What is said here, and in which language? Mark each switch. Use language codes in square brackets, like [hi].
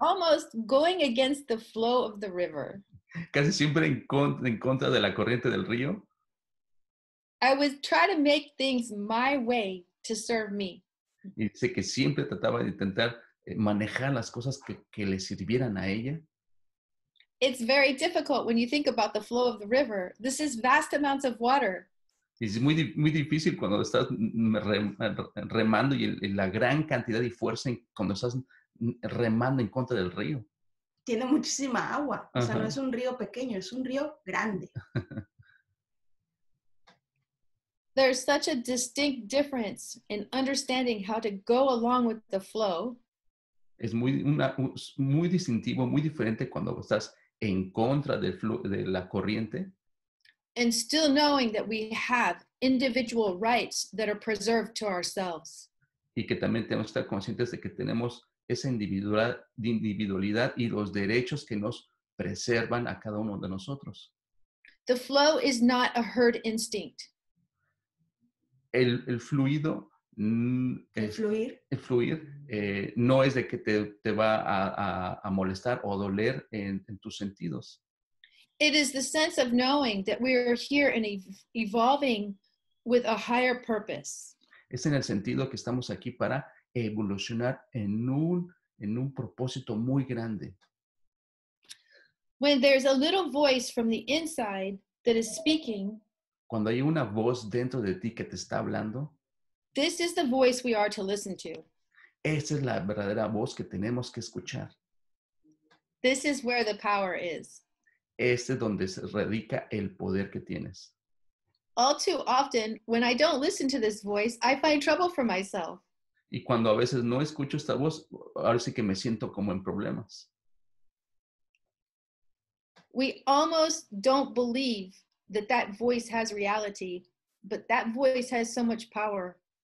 [en] almost going against the flow of the river. [es] Casi siempre en contra de la corriente del río. [en] I would try to make things my way to serve me. [es] Y dice que siempre trataba de intentar manejar las cosas que le sirvieran a ella. [en] It's very difficult when you think about the flow of the river. This is vast amounts of water. [es] Es muy, muy difícil cuando estás remando y la gran cantidad y fuerza cuando estás remando en contra del río. Tiene muchísima agua. O sea, uh-huh. No es un río pequeño, es un río grande. [en] There's such a distinct difference in understanding how to go along with the flow. [es] Es muy distintivo, muy diferente cuando estás en contra de la corriente. [en] And still knowing that we have individual rights that are preserved to ourselves. [es] Y que también tenemos que estar conscientes de que tenemos esa individualidad y los derechos que nos preservan a cada uno de nosotros. [en] The flow is not a herd instinct. [es] El fluido, el fluir no es de que te va a molestar o doler en tus sentidos. [en] It is the sense of knowing that we are here and evolving with a higher purpose. [es] Es en el sentido que estamos aquí para evolucionar en un propósito muy grande. [en] When there's a little voice from the inside that is speaking, [es] cuando hay una voz dentro de ti que te está hablando, [en] this is the voice we are to listen to. [es] Esta es la verdadera voz que tenemos que escuchar. [en] This is where the power is. [es] Este es donde se radica el poder que tienes. [en] All too often, when I don't listen to this voice, I find trouble for myself. [es] Y cuando a veces no escucho esta voz, ahora sí que me siento como en problemas. [en] We almost don't believe that voice has reality, but that voice has so much power.